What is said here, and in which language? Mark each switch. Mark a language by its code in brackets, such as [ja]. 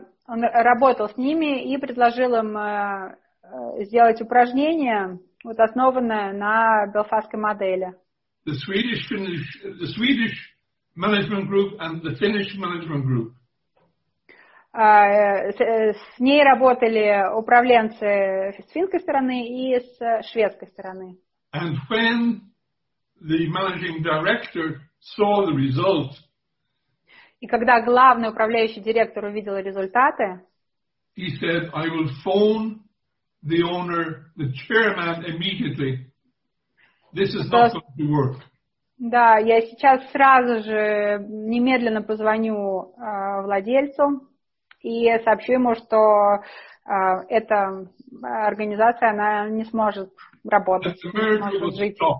[ru] Он работал с ними и предложил им сделать упражнение, вот основанное на белфастской модели. [en] The Swedish management group and the Finnish management group. [ru] С ней работали управленцы с финской стороны и с шведской стороны. [en] And when the managing director saw the result. [ru] И когда главный управляющий директор увидел результаты, [en] he said, I will phone the owner, the chairman immediately. This is not going to work. [ru] Да, я сейчас сразу же немедленно позвоню владельцу и сообщу ему, что эта организация, она не сможет работать, не сможет жить.